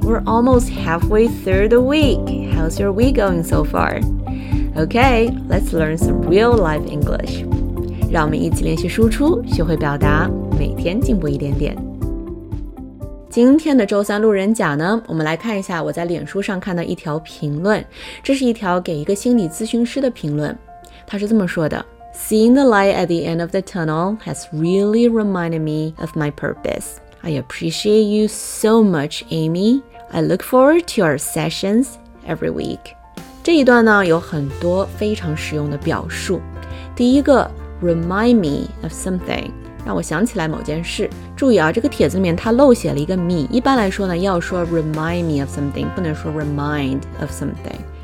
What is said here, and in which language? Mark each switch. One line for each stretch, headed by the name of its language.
English: We're almost halfway through the week. How's your week going so far? Okay, let's learn some real-life English.
Chinese: 让我们一起练习输出，学会表达，每天进步一点点。今天的周三路人甲呢，我们来看一下我在脸书上看到一条评论。这是一条给一个心理咨询师的评论。他是这么说的。
English: Seeing the light at the end of the tunnel has really reminded me of my purpose. I appreciate you so much, Amy. I look forward to our sessions every week.
Chinese: 这一段呢有很多非常实用的表述。第一个
English: remind me of something,
Chinese: 让我想起来某件事。注意啊，这个帖子里面它漏写了一个 me, 一般来说呢要说
English: remind me of something,
Chinese: 不能说
English: remind of something.